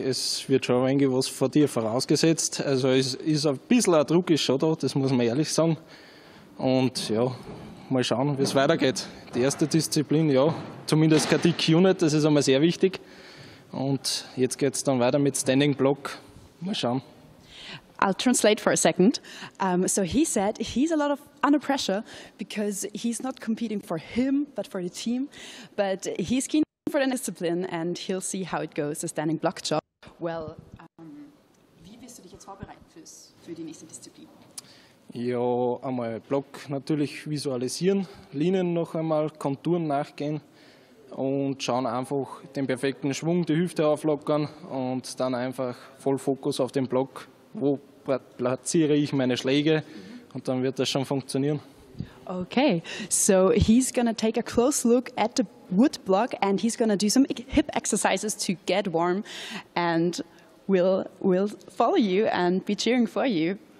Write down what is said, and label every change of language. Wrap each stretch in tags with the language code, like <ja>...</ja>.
<de>Es wird schon irgendwie was vor dir vorausgesetzt. Also es ist ein bisschen ein Druck ist schon da, das muss man ehrlich sagen. Und ja, mal schauen, wie es weitergeht. Die erste Disziplin, ja, zumindest keine DQ-Unit, das ist einmal sehr wichtig. Und jetzt geht es dann weiter mit Standing Block. Mal schauen.</de> <en>I'll translate for a second. So he said he's a lot of under pressure because he's not competing for him, but for the team. But he's keen for the discipline and he'll see how it goes, the standing block job.</en> <de>Well, wie wirst du dich jetzt vorbereiten für die nächste Disziplin? Ja, einmal Block natürlich visualisieren, Linien noch einmal, Konturen nachgehen und schauen einfach den perfekten Schwung, die Hüfte auflockern und dann einfach voll Fokus auf den Block. Wo platziere ich meine Schläge? Und dann wird das schon funktionieren.</de> <en>Okay, so he's gonna take a close look at the wood block and he's gonna do some hip exercises to get warm and we'll follow you and be cheering for you.</en>